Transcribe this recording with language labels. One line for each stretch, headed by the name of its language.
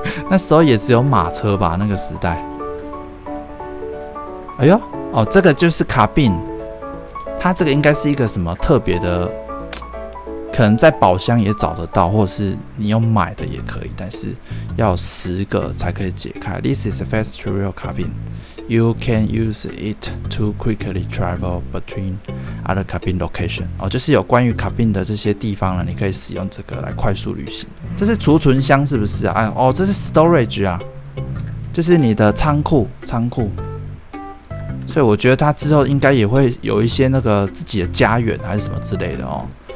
Chinese: 那时候也只有马车吧，那个时代。哎呦，哦，这个就是卡宾，它这个应该是一个什么特别的，可能在宝箱也找得到，或者是你有买的也可以，但是要10个才可以解开。
English: This is a fast travel cabin. You can use it to quickly travel between other cabin location.
Chinese: 哦，就是有关于卡宾的这些地方呢，你可以使用这个来快速旅行。这是储存箱是不是啊？哎，哦，这是 storage 啊，就是你的仓库。所以我觉得它之后应该也会有一些那个自己的家园还是什么之类的哦。